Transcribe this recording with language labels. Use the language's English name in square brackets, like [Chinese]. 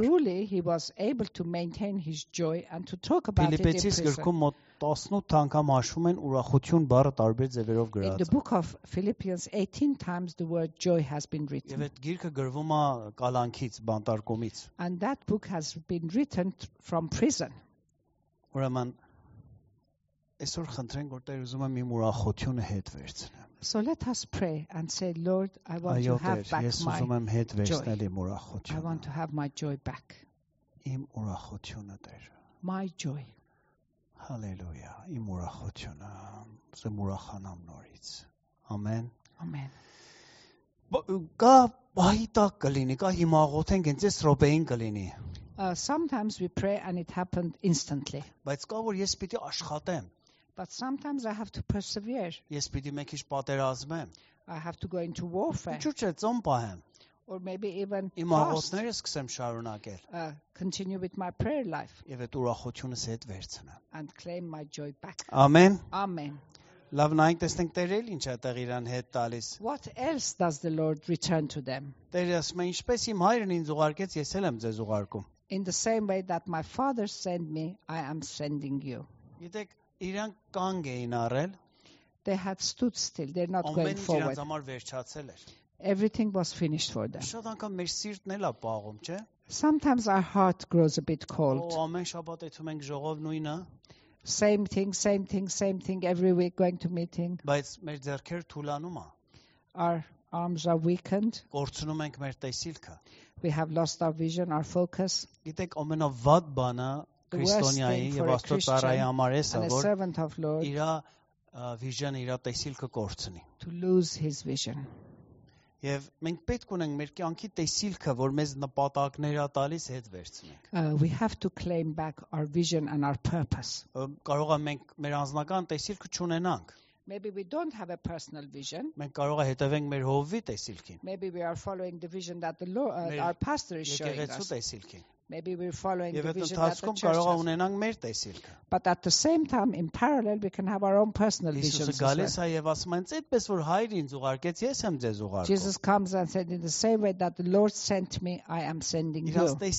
[English] Truly he was able to maintain his joy and to talk about it in prison. [Armenian] Ֆիլիպեցի գրքում մոտ 18 անգամ հաշվում են ուրախություն բառը տարբեր ձևերով գրած։ [English] In the book of Philippians 18 times the word joy has been written. [Armenian] Եվ այդ գիրքը գրվում է կալանքից, բանտարկումից։ [English] And that book has been written from prison. [Armenian] Ուրեմն այսօր խնդրենք, որ Տեր ուզում է իմ ուրախությունը հետ վերցնել։ [English] So let us pray and say, Lord, I want to have back my joy. [Armenian] Ես ուզում եմ հետ վերցնել իմ ուրախությունը։ [English] I want to have my joy back. [Armenian] Իմ ուրախությունը, Տեր։ [English] My joy. Hallelujah. [Armenian] Իմ ուրախությունը, ծեմ ուրախանամ նորից։ Ամեն։ Ամեն։ Կա բայտա կլինի, կա հիմաղոթենք, հենց այս րոպեին կլինի։ [English] Sometimes we pray and it happened instantly. [Armenian] Բայց կա որ ես պիտի աշխատեմ։ [English] But sometimes I have to persevere. [Armenian] Ես պիտի մի քիչ պատերազմեմ։ [English] I have to go into warfare. [Armenian] Ինչու՞ չէ, ծոմ պահեմ։ [English] Or maybe even [Armenian] իմ աղոթները սկսեմ շարունակել։ [English] Continue with my prayer life. [Armenian] Եվ այդ ուրախությունս հետ վերցնեմ։ [English] And claim my joy back. Amen. Amen. [Armenian] Լավ, նայեք, տեսնենք Տերը ինչ է տեղ իրան հետ տալիս։ [English] What else does the Lord return to them? [Armenian] Տերը ասում է, ինչպես իմ հայրն ինձ ուղարկեց, ես էլ եմ ձեզ ուղարկում։ [English] In the same way that my father sent me, I am sending you. [Armenian] Գիտեք, իրան կանգ էին առել։ [English] They had stood still. They're not going forward. [Armenian] Ամեն ինչ համար վերջացել էր։ [English] Everything was finished for them. [Armenian] Շատ անգամ մեր սիրտն էլ է պաղում, չէ? [English] Sometimes our heart grows a bit cold. [Armenian] Ու ամեն շաբաթ եթում ենք ժողով նույնը։ [English] Same thing, same thing, same thing every week going to meeting. [Armenian] Բայց մեր ձեռքերը թուլանում է։ [English] Our arms are weakened. [Armenian] Կորցնում ենք մեր տեսիլքը։ [English] We have lost our vision, our focus. [Armenian] Գիտեք, ամենավատ բանը քրիստոնյայի եւ աստծո ծառայի համար է, որ իր վիժնը, իր տեսիլքը կորցնի։ [English] To lose his vision. [Armenian] Եվ մենք պետք ունենք մեր կյանքի տեսիլքը, որ մեզ նպատակներ ա տալիս հետ վերցնենք։ [English] We have to claim back our vision and our purpose. [Armenian] Կարող է մենք մեր անձնական տեսիլքը չունենանք։ [English] Maybe we don't have a personal vision. [Armenian] Մենք կարող ենք հետևենք մեր հովվի տեսիլքին։ [English] Maybe we are following the vision that the Lord, our pastor is showing us. [Armenian] Եկեղեցու տեսիլքին։ [English] Maybe we're following the vision that the church has. But at the same time, in parallel, we can have our own personal visions as well. Jesus comes and said, in the same way that the Lord sent me, I am sending you.